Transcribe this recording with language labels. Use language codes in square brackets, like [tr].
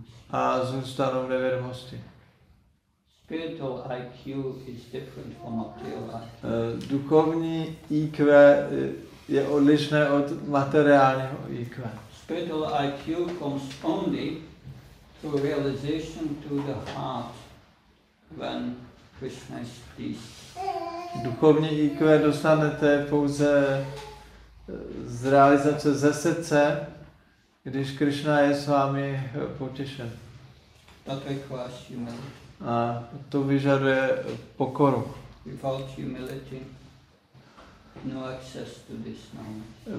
[cs] A zůstanou v nevědomosti. [en] Spiritual IQ is different from material IQ. [cs] Duchovní IQ je odlišné od materiálního IQ. [en] Spiritual IQ comes only through realization to the heart when Krishna is pleased. [cs] Duchovní IQ dostanete pouze z realizace ze srdce, když Krishna je s vámi potěšen. [en] That requires humility. [cs] A to vyžaduje pokoru. [en] Without humility, no access to this knowledge.